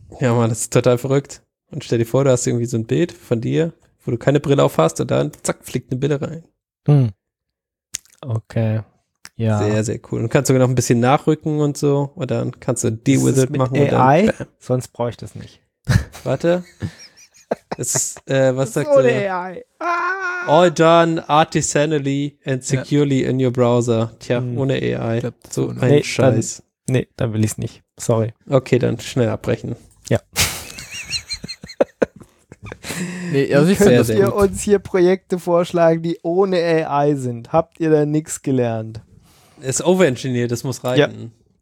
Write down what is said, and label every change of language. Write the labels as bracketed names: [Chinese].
[German] Ja, Mann, das ist total verrückt. Und stell dir vor, du hast irgendwie so ein Bild von dir, wo du keine Brille auf hast und dann, zack, fliegt eine Brille rein. Hm. Okay. Ja. Sehr, sehr cool. Und kannst sogar noch ein bisschen nachrücken und so. Und dann kannst du Deal with it machen. AI? Und dann, sonst brauche ich das nicht. Warte. Es ist, was sagt der? AI. Ah. [English] All done artisanally and securely in your browser. [German] Tja, ohne AI. Ich glaub, so ohne. Ein Scheiß. Dann will ich es nicht. Sorry. Okay, dann schnell abbrechen. Ja. Könnt ihr uns hier Projekte vorschlagen, die ohne AI sind? Habt ihr da nichts gelernt? Ist overengineered, das muss reichen.